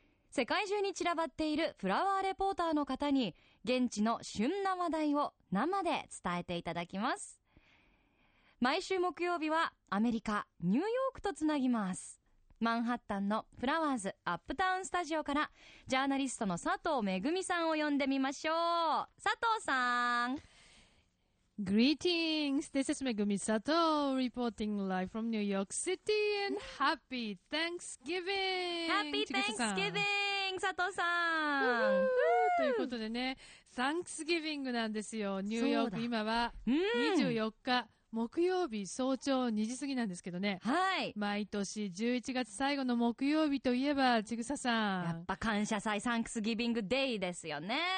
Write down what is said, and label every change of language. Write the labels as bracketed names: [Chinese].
[Japanese] 世界中に散らばっているフラワーレポーターの方に現地の旬な話題を生で伝えていただきます。毎週木曜日はアメリカニューヨークとつなぎます。マンハッタンのフラワーズアップタウンスタジオからジャーナリストの佐藤めぐみさんを呼んでみましょう。佐藤さん、 [English] Greetings, this is めぐみ佐藤 reporting live from New York City and Happy Thanksgiving! Happy Thanksgiving! 佐藤さん、 [Japanese] ということでね、Thanksgiving なんですよ、ニューヨーク。今は24日、うん、木曜日早朝2時過ぎなんですけどね。はい。毎年11月最後の木曜日といえば、ちぐささん。やっぱ感謝祭、サンクスギビングデイですよね。